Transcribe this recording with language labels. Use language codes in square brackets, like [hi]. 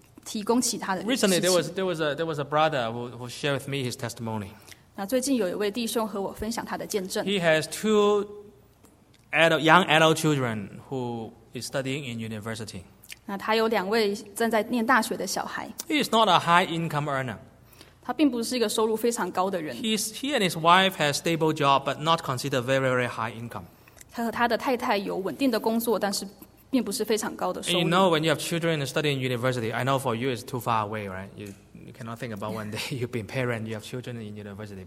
[en] Recently, there was a brother who shared with me his testimony. [zh] 那最近有一位弟兄和我分享他的见证。 [en] He has two young adult children who is studying in university. [zh] 那他有两位正在念大学的小孩。 [en] He is not a high income earner. [zh] 他并不是一个收入非常高的人。 [en] He and his wife have stable job, but not considered very very high income. [zh] 他和他的太太有稳定的工作，但是 并不是非常高的收入。 [en] And you know, when you have children and study in university, I know for you it's too far away, right? You cannot think about one day you've been parent, you have children in university.